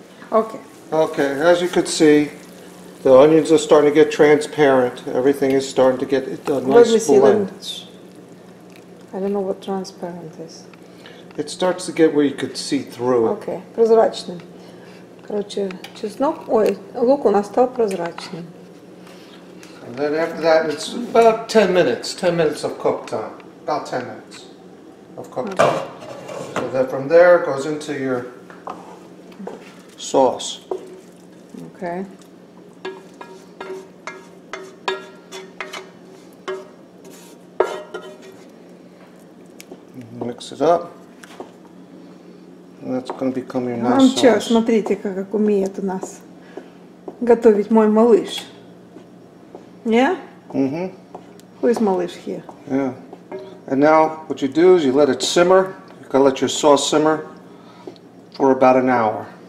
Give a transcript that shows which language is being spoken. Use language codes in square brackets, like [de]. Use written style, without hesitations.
[en] Okay. Okay, as you could see, the onions are starting to get transparent. Everything is starting to get a nice blend. I don't know what transparent is. It starts to get where you could see through it. Okay, [ru] прозрачным. Короче, чеснок, ой, лук у нас стал прозрачным. [en] And then after that, it's about 10 minutes. 10 minutes of cook time. About 10 minutes of cook time. Okay. So then from there, it goes into your sauce. Okay. Mix it up. And that's going to become your nice sauce. [ru] Че, смотрите, как умеет у нас готовить мой малыш. [en] Yeah? Mm-hmm. Who is малыш here? Yeah. And now what you do is you let it simmer. You gotta let your sauce simmer for about an hour.